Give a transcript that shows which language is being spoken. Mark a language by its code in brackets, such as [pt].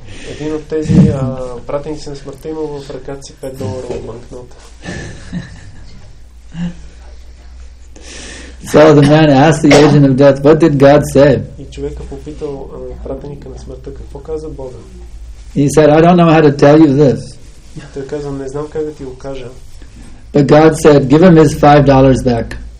[bg] Един от тези пратеници на смъртта имал в ръката си 5 долара от банкнота. [en] So the man asked the agent of death, what did God say? [bg] И човека попитал пратеника на смъртта, какво каза Бога? [en] He said, I don't know how to tell you this. [bg] Той каза, не знам как да ти го кажа. [en] But God said, give him his $5 back.